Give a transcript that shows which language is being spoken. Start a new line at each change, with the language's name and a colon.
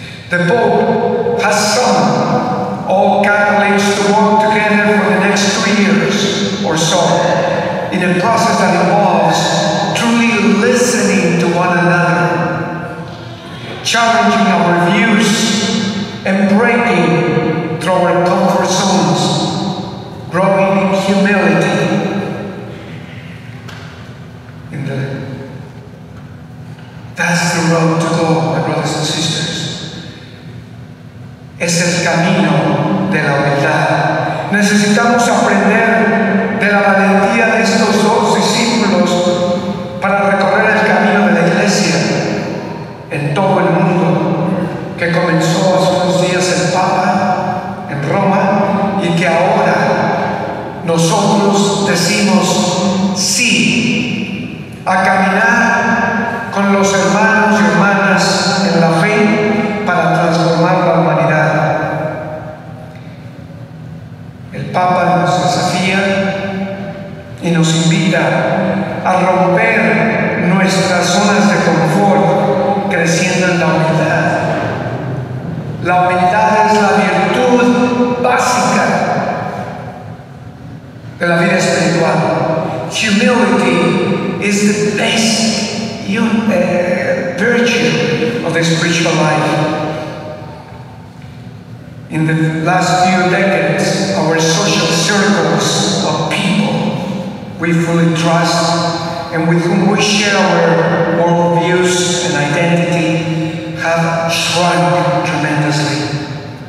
English: The Pope has summoned all Catholics to work together for the next 3 years or so in a process that involves truly listening to one another, challenging our views and breaking through our comfort zones, growing in humility in the that's the road to go, my brothers and sisters.
Spanish: Es el camino de la humildad. Necesitamos aprender de la valentía de estos dos discípulos para recorrer el camino de la iglesia en todo el mundo, que comenzó hace unos días el Papa en Roma y que ahora nosotros decimos sí a caminar con los hermanos y hermanas en la fe para transformar la humanidad. El Papa nos desafía y nos invita a romper nuestras zonas de confort creciendo en la humildad. La humildad es la virtud básica de la vida espiritual.
English: Humility is the basic virtue of the spiritual life. In the last few decades, our social circles of people we fully trust and with whom we share our worldviews and identity have shrunk tremendously.